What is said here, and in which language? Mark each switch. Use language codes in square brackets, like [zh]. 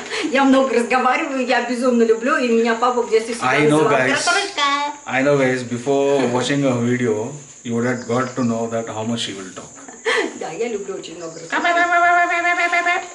[ru] Я много разговариваю, я безумно люблю, и меня папа в детстве всегда называл. [en] I know, guys. Before watching her video, you would have got to know that how much she will talk. [ru] Да, я люблю очень много разговаривать.